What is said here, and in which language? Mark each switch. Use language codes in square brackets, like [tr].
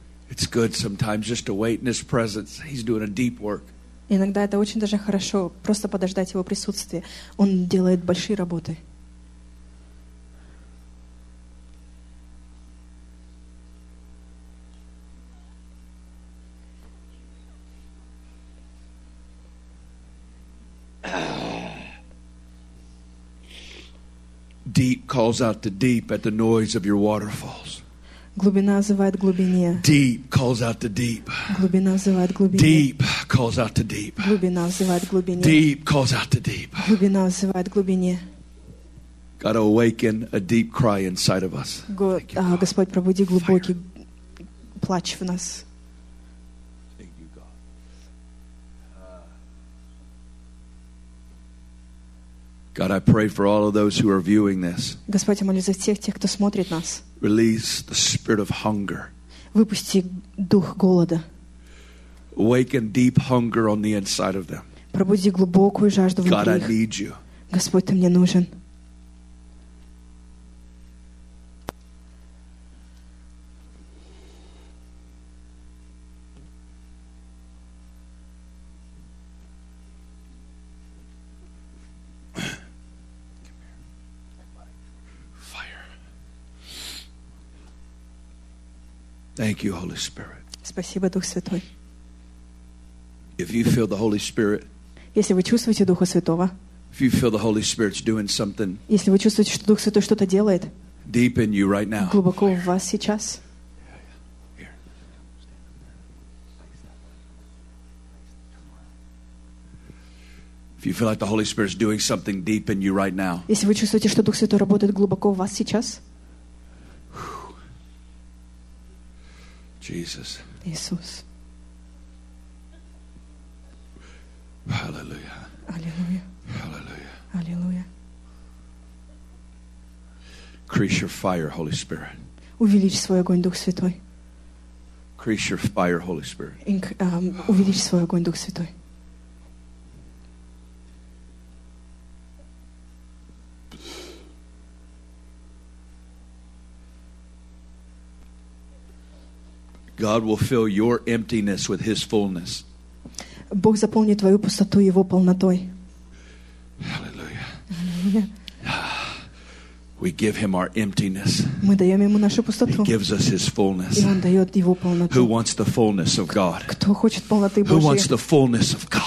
[en] It's good sometimes just to wait in His presence. He's doing a deep work. [ru] Иногда это очень даже хорошо просто подождать Его присутствия. Он делает большие работы. [en] Deep calls out to deep at the noise of your waterfalls. [ru] Глубина зывает глубине. [en] Deep calls out to deep. [ru] Глубина зывает глубине. [en] Deep calls out to deep. [ru] Глубина зывает глубине. [en] Deep calls out to deep. [ru] Глубина зывает глубине. [en] God, awaken a deep cry inside of us. [ru] Господь, пробуди глубокий плач в нас. [en] Thank you, God. God, I pray for all of those who are viewing this. [ru] Господь, я молюсь за всех тех, кто смотрит нас. [en] Release the spirit of hunger. [ru] Выпусти дух голода. [en] Awaken deep hunger on the inside of them. [ru] Пробуди глубокую жажду внутри. [en] God, I need you. [ru] Господь, ты мне нужен. [en] Thank you, Holy Spirit. [ru] Спасибо, Дух Святой. [en] If you feel the Holy Spirit, [ru] если вы чувствуете Духа Святого, [en] if you feel the Holy Spirit's doing something, [ru] если вы чувствуете, что Дух Святой что-то делает, [en] deep in you right now, [ru] глубоко в вас сейчас. [en] If you feel like the Holy Spirit's doing something deep in you right now, [ru] если вы чувствуете, что Дух Святой работает глубоко в вас сейчас. [en] Jesus. Jesus. Hallelujah. Hallelujah. Hallelujah. Hallelujah. Increase your fire, Holy Spirit. [ru] Увеличь свой огонь, Дух Святой. [en] Increase your fire, Holy Spirit. [ru] Увеличь свой огонь, Дух Святой. [en] God will fill your emptiness with His fullness. [ru] Бог заполнит твою пустоту Его полнотой. [en] Hallelujah. We give Him our emptiness. [ru] Мы даем Ему нашу пустоту. [en] He gives us His fullness. [ru] И Он дает Его полноту. [en] Who wants the fullness of God? [ru] Кто хочет полноты Божьей? [en] Who wants the fullness of God?